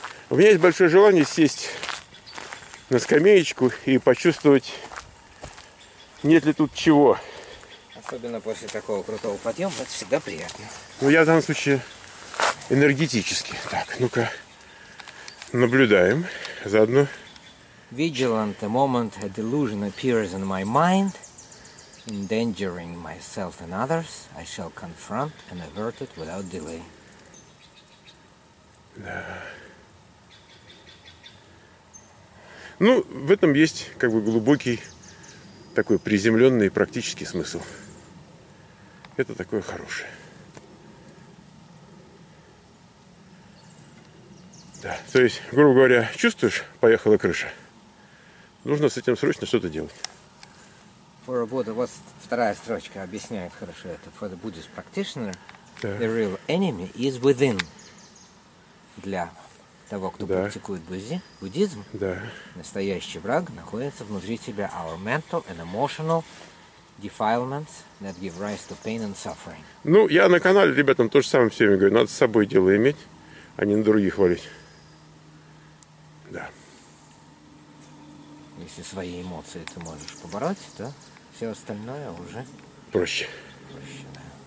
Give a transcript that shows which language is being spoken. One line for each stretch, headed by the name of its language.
Russian: У меня есть большое желание сесть на скамеечку и почувствовать, нет ли тут чего. Особенно после такого крутого подъема, это всегда приятно. Ну я в данном случае... Энергетически. Так, ну-ка, наблюдаем заодно.
English: Vigilant the moment a delusion appears in my mind, endangering myself and others, I shall confront and avert it without delay.
Russian: Да. Ну, в этом есть как бы глубокий, такой приземленный практический смысл. Это такое хорошее. Да, то есть, грубо говоря, чувствуешь, поехала крыша. Нужно с этим срочно что-то делать.
English: For a Buddha,
Russian: вот вторая строчка объясняет хорошо это.
English: For the Buddhist practitioner, the real enemy is within.
Russian: Для того, кто практикует буддизм, настоящий враг находится внутри тебя.
English: Our mental and emotional defilements that give rise to pain and suffering.
Russian: Ну, я на канале ребятам то же самое все время говорю. Надо с собой дело иметь, а не на других валить. Да. Если свои эмоции ты можешь побороть, то все остальное уже проще. Проще, да.